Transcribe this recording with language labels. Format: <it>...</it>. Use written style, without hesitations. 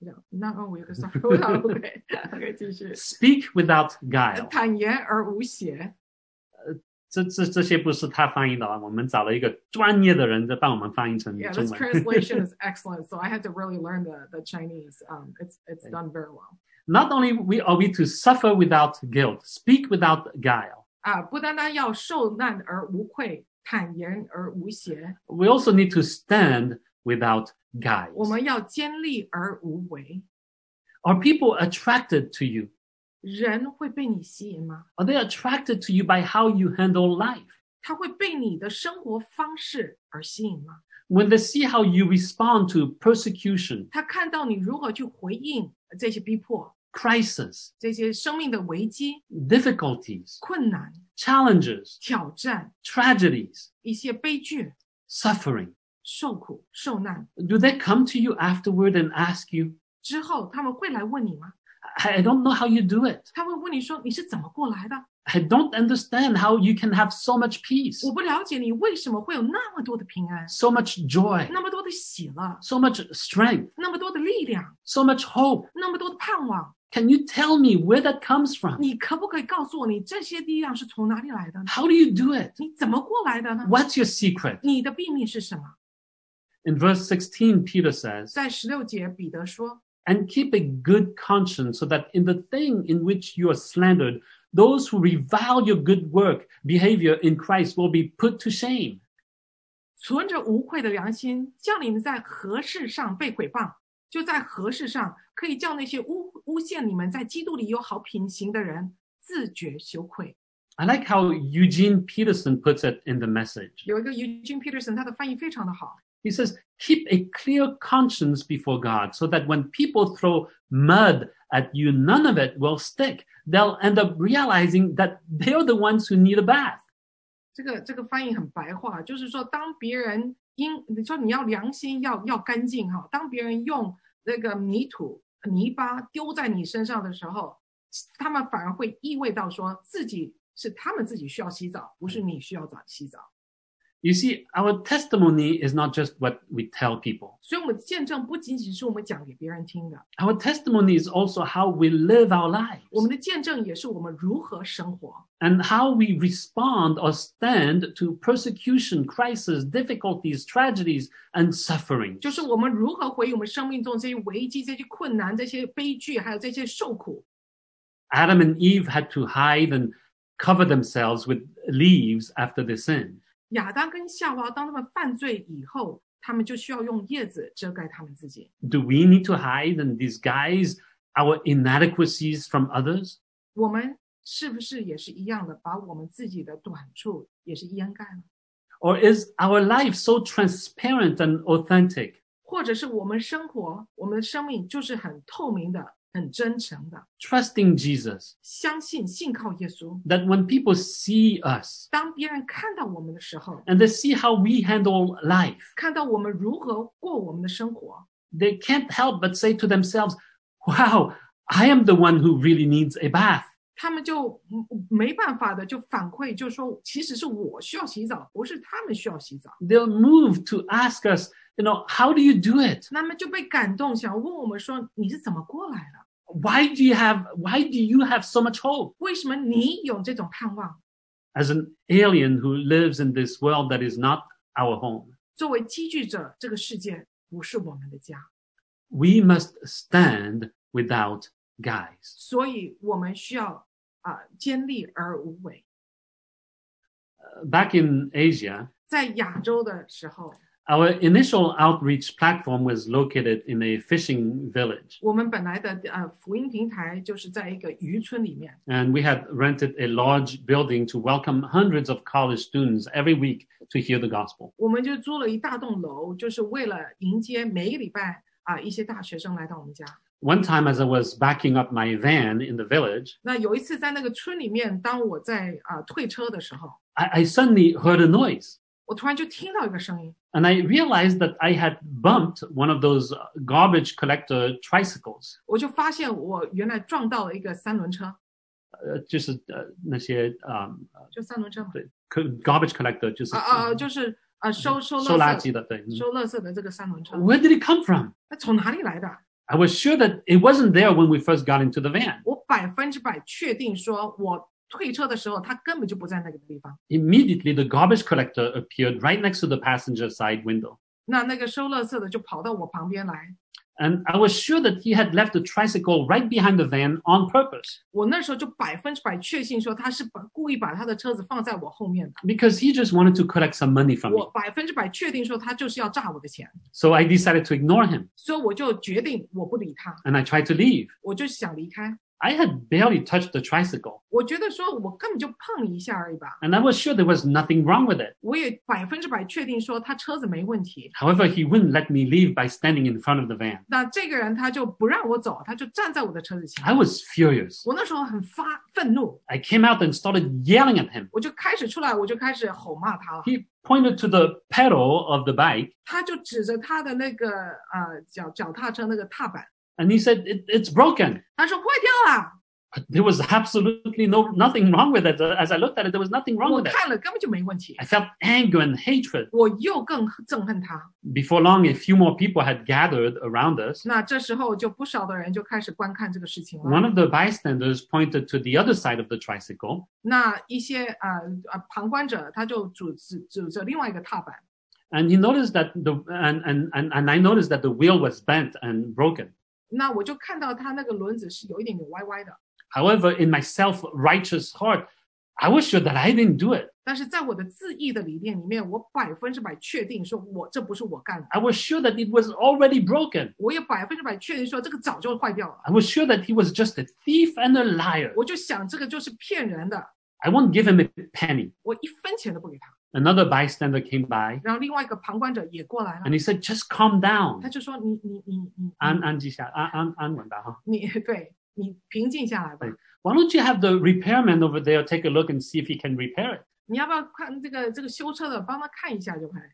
<en>Not only are we to suffer without guilt. Okay, speak without guile.</en> <zh>坦言而无邪。这些不是他翻译的，我们找了一个专业的人在帮我们翻译成中文。</zh> <en>Yeah, this translation is excellent, so I had to really learn the Chinese. It's done very well. Not only are we to suffer without guilt, speak without guile.</en> <zh>不单单要受难而无愧，坦言而无邪。</zh> <en>We also need to stand without guile.</en> <zh>我们要坚立而无为。</zh> <en>Are people attracted to you?</en> <zh>人会被你吸引吗？</zh> <en>Are they attracted to you by how you handle life?</en> <zh>他会被你的生活方式而吸引吗？</zh> <en>When they see how you respond to persecution,</en> <zh>他看到你如何去回应这些逼迫，</zh> <en>crisis,</en> <zh>这些生命的危机，</zh> <en>difficulties,</en> <zh>困难，</zh> <en>challenges,</en> <zh>挑战，</zh> <en>tragedies,</en> <zh>一些悲剧，</zh> <en>suffering,</en> <zh>受苦受难，</zh> <en>do they come to you afterward and ask you?</en> <zh>之后他们会来问你吗？</zh> <en>I don't know how you do it.</en> <zh>他会问你说你是怎么过来的？</zh> <en>I don't understand how you can have so much peace.</en> <zh>我不了解你为什么会有那么多的平安。</zh> <en>So much joy.</en> <zh>那么多的喜乐。</zh> <en>So much strength.</en> <zh>那么多的力量。</zh> <en>So much hope.</en> <zh>那么多的盼望。</zh> <en>Can you tell me where that comes from?</en> <zh>你可不可以告诉我你这些力量是从哪里来的呢？</zh> <en>How do you do it?</en> <zh>你怎么过来的呢？</zh> <en>What's your secret?</en> <zh>你的秘密是什么？</zh> <en>In verse 16, Peter says,</en> <zh>在16节彼得说，</zh> <en>And keep a good conscience so that in the thing in which you are slandered, those who revile your good work behavior in Christ will be put to shame.</en> <zh>存着无愧的良心，叫你们在何事上被毁谤，就在何事上可以叫那些诬陷你们在基督里有好品行的人自觉羞愧。</zh> <en>I like how Eugene Peterson puts it in the message.</en> <zh>有一个 Eugene Peterson, 他的翻译非常的好。</zh> <en>He says, keep a clear conscience before God so that when people throw mud at you, none of it will stick. They'll end up realizing that they're the ones who need a bath.</en> <zh>这个翻译很白话，就是说当别人说你要良心要干净，当别人用那个泥土泥巴丢在你身上的时候，他们反而会意味到说自己是他们自己需要洗澡，不是你需要洗澡。</zh> <en>You see, our testimony is not just what we tell people.</en> <zh>所以我们见证不仅仅是我们讲给别人听的。</zh> <en>Our testimony is also how we live our lives.</en> <zh>我们的见证也是我们如何生活。</zh> <en>And how we respond or stand to persecution, crisis, difficulties, tragedies, and suffering.</en> <zh>就是我们如何回应我们生命中这些危机、这些困难、这些悲剧、还有这些受苦。</zh> <en>Adam and Eve had to hide and cover themselves with leaves after they sinned.</en> <zh>亚当跟夏娃当他们犯罪以后，他们就需要用叶子遮盖他们自己。</zh> <en>Do we need to hide and disguise our inadequacies from others?</en> <zh>我们是不是也是一样的，把我们自己的短处也是掩盖了？</zh> <en>Or is our life so transparent and authentic?</en> <zh>或者是我们生活，我们的生命就是很透明的，很真诚的。</zh> <en>Trusting Jesus.</en> <zh>相信信靠耶稣。</zh> <en>That when people see us.</en> <zh>当别人看到我们的时候。</zh> <en>And they see how we handle life.</en> <zh>看到我们如何过我们的生活。</zh> <en>They can't help but say to themselves, Wow, I am the one who really needs a bath.</en> <zh>他们就没办法的就反馈，就说其实是我需要洗澡，不是他们需要洗澡。</zh> <en>They'll move to ask us,You know, how do you do it?</en> <zh>那么就被感动，想问我们说你是怎么过来的？</zh> <en>Why do you have so much hope?</en> <zh>为什么你有这种盼望？</zh> <en>As an alien who lives in this world that is not our home.</en> <zh>作为寄居者，这个世界不是我们的家。</zh> <en>We must stand without guise.</en> <zh>所以我们需要坚立而无为。</zh> <en>Back in Asia.</en> <zh>在亚洲的时候，</zh> <en>Our initial outreach platform was located in a fishing village.</en> <zh>我们本来的福音平台就是在一个渔村里面。</zh> <en>And we had rented a large building to welcome hundreds of college students every week to hear the gospel.</en> <zh>我们就租了一大栋楼，就是为了迎接每个礼拜一些大学生来到我们家。</zh> <en>One time as I was backing up my van in the village,</en> <zh>那有一次在那个村里面，当我在退车的时候，</zh> <en>I suddenly heard a noise.</en> <zh>我突然就听到一个声音。</zh> <en>And I realized that I had bumped one of those garbage collector tricycles.</en> <zh>我就发现我原来撞到了一个三轮车。就是那些就三轮车嘛。对，</zh> <en>garbage collector</en> <zh>就是。就是收垃圾的，对。收垃圾的这个三轮车。</zh> <en>Where did it come from?</en> <zh>那从哪里来的？</zh> <en>I was sure that it wasn't there when we first got into the van.</en> <zh>我百分之百确定说我退车的时候它根本就不在那个地方。</zh> <en>Immediately, the garbage collector appeared right next to the passenger side window.</en> <zh>那个收垃圾的就跑到我旁边来。</zh> <en>And I was sure that he had left the tricycle right behind the van on purpose.</en> <zh>我那时候就百分之百确信说他是故意把他的车子放在我后面的。</zh> <en>Because he just wanted to collect some money from me.</en> <zh>我百分之百确定说他就是要诈我的钱。</zh> <en>So I decided to ignore him.</en> <zh>所以我就决定我不理他。</zh> <en>And I tried to leave.</en> <zh>我就想离开。</zh> <en>I had barely touched the tricycle.</en> <zh>我觉得说我根本就碰一下而已吧。</zh> <en>And I was sure there was nothing wrong with it.</en> <zh>我也百分之百确定说他车子没问题。</zh> <en>However, he wouldn't let me leave by standing in front of the van.</en> <zh>那这个人他就不让我走，他就站在我的车子前。</zh> <en>I was furious.</en> <zh>我那时候很愤怒。</zh> <en>I came out and started yelling at him.</en> <zh>我就开始出来，我就开始吼骂他了。</zh> <en>He pointed to the pedal of the bike.</en> <zh>他就指着他的那个脚踏车那个踏板。</zh> <en>And he said, it's broken.</en> <zh>他说坏掉了。</zh> <en>But there was absolutely nothing wrong with it. As I looked at it, there was nothing wrong with it.</en> <zh>我看了根本就没问题。</zh> <en>I felt anger and hatred.</en> <zh>我又更憎恨他。</zh> <en>Before long, a few more people had gathered around us.</en> <zh>那这时候就不少的人就开始观看这个事情了。</zh> <en>One of the bystanders pointed to the other side of the tricycle.</en> <zh>那一些旁观者他就指着另外一个踏板。</zh> <en>And he noticed that I noticed that the wheel was bent and broken.</en> <zh>那我就看到他那个轮子是有一点点歪歪的。</zh> <en>However, in my self-righteous heart, I was sure that I didn't do it.</en> <zh>但是在我的自义的理念里面，我百分之百确定说我这不是我干的。</zh> <en>I was sure that it was already broken.</en> <zh>我也百分之百确定说这个早就坏掉了。</zh> <en>I was sure that he was just a thief and a liar.</en> <zh>我就想这个就是骗人的。</zh> <en>I won't give him a penny.</en> <zh>我一分钱都不给他。</zh> <en>Another bystander came by.</en> <zh>然后另外一个旁观者也过来了。</zh> <en>And he said, just calm down.</en> <zh>他就说你安稳吧。你平静下来吧。</zh> <en>Why don't you have the repairman over there take a look and see if he can repair it?</en> <zh>你要不要看这个修车的帮他看一下就可以。</zh>